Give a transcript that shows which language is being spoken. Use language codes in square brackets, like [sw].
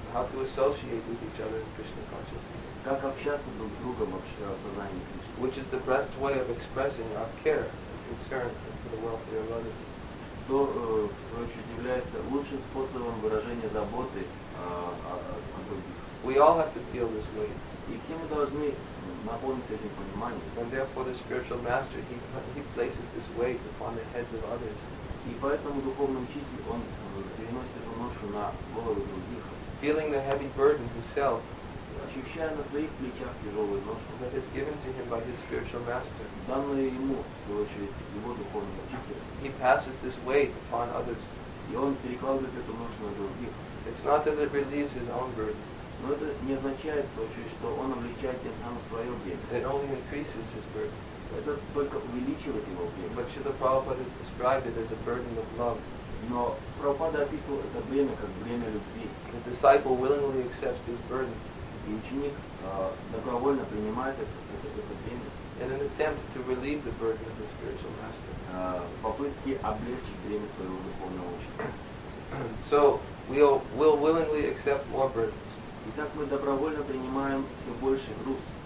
[en] How to associate with each other in Krishna consciousness. [ru] Как общаться друг с другом вообще о сознании Кришны. [en] Which is the best way of expressing our care and concern for the welfare of others. [ru] Что, короче, является лучшим способом выражения заботы о других. [en] We all have to feel this way. [ru] И все мы должны наполнить этим пониманием. [en] And therefore the spiritual master, he places this weight upon the heads of others. [ru] И поэтому духовный учитель, он переносит эту ношу на голову других. [en] Feeling the heavy burden himself. [ru] Ощущая на своих плечах тяжелую ношу. [en] That is given to him by his spiritual master. [ru] Данное ему, в свою очередь, его духовный учитель. [en] He passes this weight upon others. [ru] И он перекладывает эту ношу на других. [en] It's not that it relieves his own burden. [ru] Но это не означает, в свою очередь, что он облегчает тем самым свое бремя. [en] It only increases his burden. [ru] Это только увеличивает его бремя. [en] But Śrīla Prabhupāda has described it as a burden of love. [ru] Но Прабхупада описывал это бремя как бремя любви. [en] The disciple willingly accepts this burden. [ru] И ученик добровольно принимает это бремя. [en] In an attempt to relieve the burden of the spiritual master. [ru] Попытки облегчить бремя своего духовного учителя. [en] So we'll willingly accept more burdens. [ru] Итак, мы добровольно принимаем все больше груз.